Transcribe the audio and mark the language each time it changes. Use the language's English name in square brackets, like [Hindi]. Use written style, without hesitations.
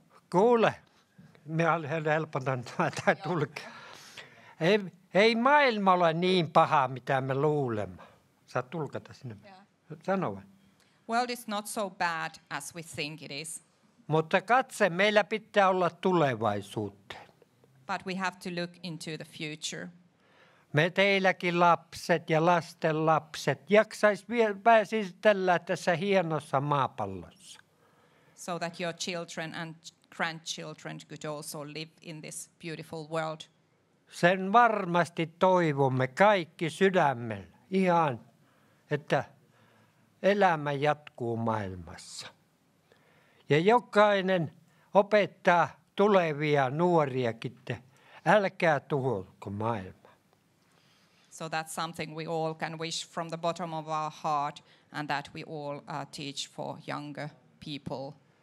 [Finnish] Kuule, me helpotan tätä tulkia. Ei maailma ole niin paha, mitä me luulemme. Saat tulkata sinne. Yeah. Sano vain. [English] World is not so bad as we think it is. [Finnish] Mutta katse, meillä pitää olla tulevaisuuteen. [English] But we have to look into the future. [Finnish] Me teilläkin lapset ja lasten lapset jaksais vielä pääsisi tällä tässä hienossa maapallossa. [English] So that your children and grandchildren could also live in this beautiful world. [Finnish] Sen varmasti toivomme kaikki sydämellä. Ihan, että elämä jatkuu maailmassa. Ja jokainen opettaa tulevia nuoriakin, älkää tuholko maailma. [English] So that's something we all can wish from the bottom of our heart and that we all teach for younger people.